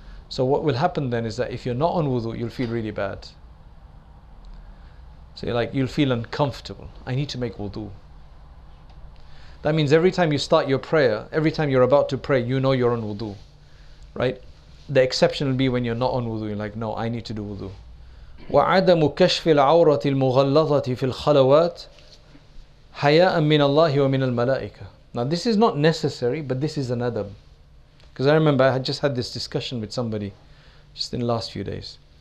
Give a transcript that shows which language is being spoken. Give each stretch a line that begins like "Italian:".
English: So what will happen then is that if you're not on wudu, you'll feel really bad. So you're like, you'll feel uncomfortable. I need to make wudu. That means every time you start your prayer, every time you're about to pray, you know you're on wudu. Right? The exception will be when you're not on wudu. You're like, no, I need to do wudu.
Arabic: وَعَدَمُ كَشْفِ الْعَوْرَةِ الْمُغَلَّظَةِ فِي الْخَلَوَاتِ حَيَاءً مِّنَ اللَّهِ وَمِنَ الْمَلَائِكَةِ
English: Now this is not necessary, but this is an adab. Because I remember I had just had this discussion with somebody just in the last few days.